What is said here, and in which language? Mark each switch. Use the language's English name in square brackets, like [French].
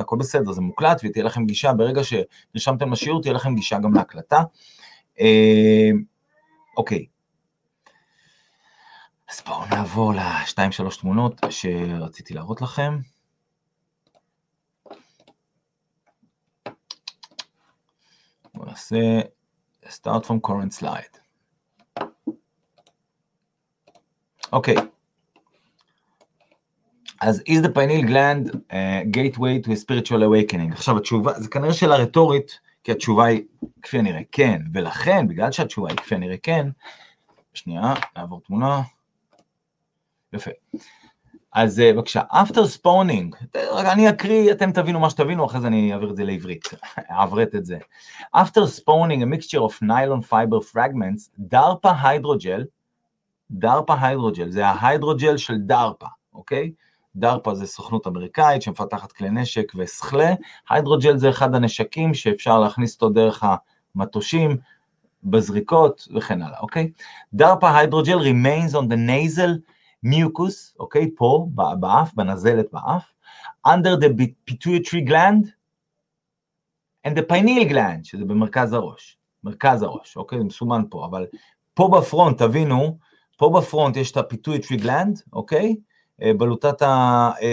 [Hebrew] הכל בסדר, זה מוקלט ותהיה לכם גישה, ברגע שנרשמתם לשיעור תהיה לכם גישה גם להקלטה. אוקיי. אז בואו נעבור ל2-3 תמונות שרציתי להראות לכם. בוא נעשה [English] start from current slide. [Hebrew] אוקיי. [English] אז is the pineal gland a gateway to a spiritual awakening? [Hebrew] עכשיו התשובה, זה כנראה שאלה רטורית, כי התשובה היא כפי הנראה כן, ולכן, בגלל שהתשובה היא כפי הנראה כן, שנייה, נעבור תמונה. יפה. אז בבקשה, [English] after spawning, [Hebrew] רגע אני אקריא, אתם תבינו מה שתבינו, אחרי זה אני אעביר את זה לעברית, אעברת את זה. [English] After spawning, a mixture of nylon fiber fragments, DARPA hydrogel, DARPA hydrogel, [Hebrew] זה ההיידרוג'ל של DARPA, אוקיי? DARPA זה סוכנות אמריקאית שמפתחת כלי נשק וסחלה, היידרוג'ל זה אחד הנשקים שאפשר להכניס אותו דרך המטושים, בזריקות וכן הלאה, אוקיי? [English] DARPA hydrogel remains on the nasal mucus, okay, po, [Hebrew] באף, בנזלת באף, [English] under the pituitary gland, and the pineal gland, [Hebrew] שזה במרכז הראש, מרכז הראש, [English] okay, [Hebrew] מסומן פה, אבל פה בפרונט, תבינו, פה בפרונט יש את ה- [English] pituitary gland, okay, [Hebrew] בלוטת ה...